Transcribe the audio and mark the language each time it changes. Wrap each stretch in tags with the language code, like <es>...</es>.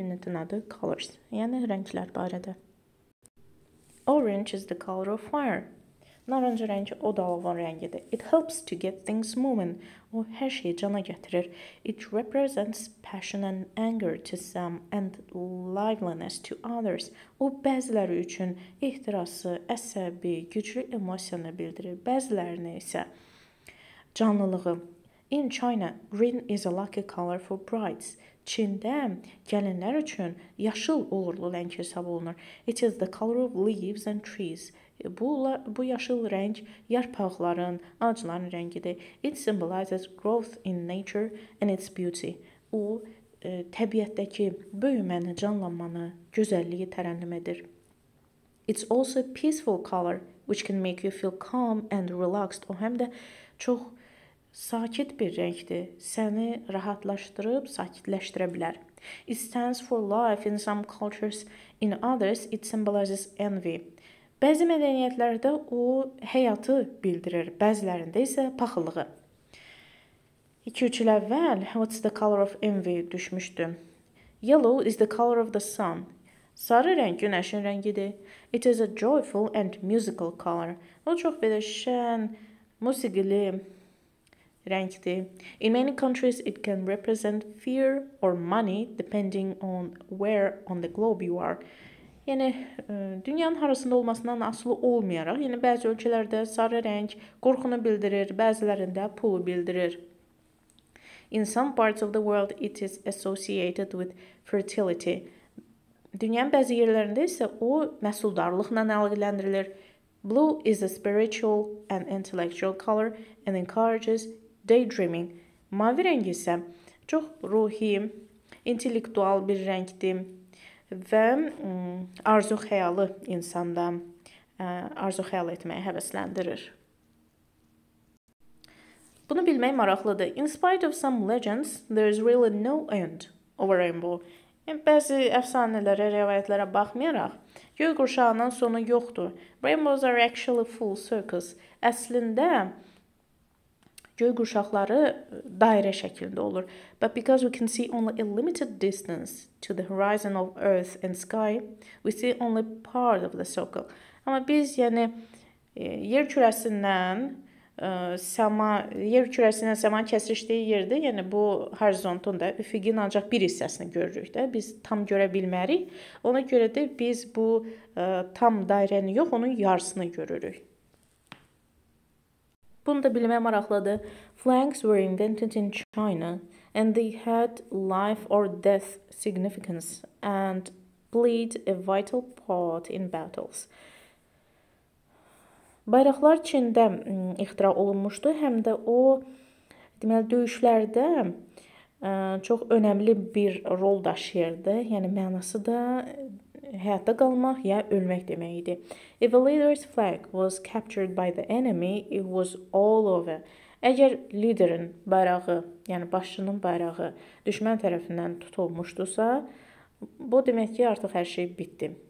<az>Ünitin adı Colors, yəni rənglər barədə.</az> <en>Orange is the color of fire.</en> <az>Narıncı rəng o da alovun rəngidir.</az> <en>It helps to get things moving.</en> <az>O, hər şeyi cana gətirir.</az> <en>It represents passion and anger to some and liveliness to others.</en> <az>O, bəziləri üçün ehtirası, əsəbi, güclü emosiyanı bildirir. Bəzilərini isə canlılığı.</az> <en>In China, green is a lucky color for brides.</en> <az>Çində gəlinlər üçün yaşıl uğurlu rəng hesab olunur.</az> <en>It is the color of leaves and trees.</en> <az>Bu yaşıl rəng yarpaqların, ağacların rəngidir.</az> <en>It symbolizes growth in nature and its beauty.</en> <az>O, təbiətdəki böyüməni, canlanmanı, gözəlliyi tərənnüm edir.</az> <en>It's also a peaceful color, which can make you feel calm and relaxed.</en> <az>O, həm də çox sakit bir rəngdir. Səni rahatlaşdırıb, sakitləşdirə bilər.</az> <en>It stands for life in some cultures. In others, it symbolizes envy.</en> <az>Bəzi mədəniyyətlərdə o həyatı bildirir, bəzilərində isə paxıllığı. 2-3 il əvvəl</az> <en>What's the color of envy</en> <az>düşmüşdü.</az> <en>Yellow is the color of the sun.</en> <az>Sarı rəng günəşin rəngidir.</az> <en>It is a joyful and musical color.</en> <az>O çox belə şən, musiqili rəngdir.</az> <en>In many countries it can represent fear or money depending on where on the globe you are.</en> <az>Yəni, dünyanın harasında olmasından asılı olmayaraq, yəni bəzi ölkələrdə sarı rəng qorxunu bildirir, bəzilərində pulu bildirir.</az> <en>In some parts of the world it is associated with fertility.</en> <az>Dünyanın bəzi yerlərində isə o məhsuldarlıqla əlaqələndirilir.</az> <en>Blue is a spiritual and intellectual color and encourages daydreaming.</en> <az>Mavi rəng isə çox ruhi, intellektual bir rəngdir. Və arzu xəyalı insanda arzu xəyal etməyə həvəsləndirir. Bunu bilmək maraqlıdır.</az> <en>In spite of some legends, there is really no end of a rainbow.</en> <az>Bəzi əfsanələrə, rəvayətlərə baxmayaraq, göy qurşağının sonu yoxdur.</az> <en>Rainbows are actually full circles.</en> <az>Əslində, göy qurşaqları dairə şəklində olur.</az> <en>But because we can see only a limited distance to the horizon of earth and sky, we see only part of the circle.</en> <az>Amma biz, yəni, yer kürəsindən səma kəsişdiyi yerdə, yəni bu horizontun da üfüqin ancaq bir hissəsini görürük də. Biz tam görə bilmərik. Ona görə də biz bu tam dairəni yox, onun yarısını görürük. Bunu da bilmək maraqlıdır.</az> <en>Flags were invented in China and they had life or death significance and played a vital part in battles.</en> <az>Bayraqlar Çində ixtira olunmuşdu, həm də o deməli döyüşlərdə çox önəmli bir rol daşıyırdı. Yəni mənası da həyatda qalmaq ya ölmək demək idi.</az> <en>If a leader's flag was captured by the enemy, it was all over.</en> <az>Əgər liderin bayrağı, yəni başçının bayrağı düşmən tərəfindən tutulmuşdusa, bu demək ki, artıq hər şey bitdi.</az>